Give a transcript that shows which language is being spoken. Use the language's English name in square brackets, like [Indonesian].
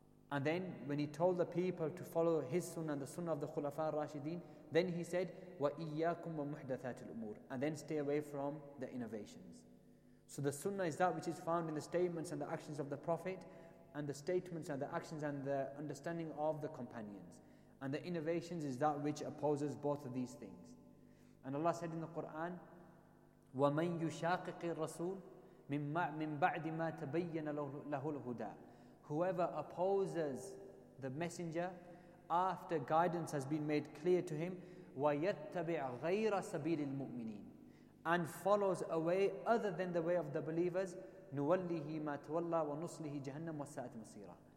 [English] And then when he told the people to follow his Sunnah and the Sunnah of the Khulafa al-Rashideen, then he said, [Arabic] وَإِيَّاكُمْ وَمُحْدَثَاتِ الْأُمُورِ. [English] And then stay away from the innovations. So the Sunnah is that which is found in the statements and the actions of the Prophet, and the statements and the actions and the understanding of the companions. And the innovations is that which opposes both of these things. And Allah said in the Quran, [Arabic] وَمَنْ يُشَاقِقِ الرَّسُولِ مِنْ بَعْدِ مَا تَبَيَّنَ لَهُ الْهُدَىٰ. [English] Whoever opposes the messenger after guidance has been made clear to him, [Arabic] وَيَتَّبِعْ غَيْرَ سَبِيلِ الْمُؤْمِنِينَ, [English] and follows a way other than the way of the believers, [Arabic] نُوَلِّهِ مَا تَوَلَّى وَنُصْلِهِ جَهَنَّمْ وَسَاءَتْ مَصِيرًا.